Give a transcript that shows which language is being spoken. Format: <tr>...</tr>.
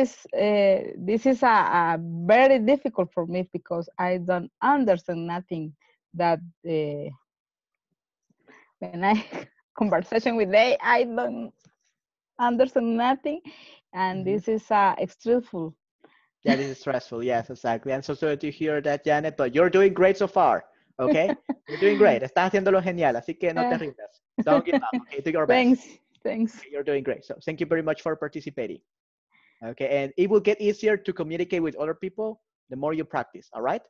<en>This is a very difficult for me because I don't understand nothing that when I conversation with them, I don't understand nothing, and this is stressful. That is stressful, yes, exactly. I'm so sorry to hear that, Janet, but you're doing great so far, okay? You're doing great.</en> <es>Estás haciéndolo genial, así que no te rindas.</es> <en>Don't give up, okay? Do your best. Thanks. Okay, you're doing great. So thank you very much for participating. Okay, and it will get easier to communicate with other people the more you practice, all right?</en>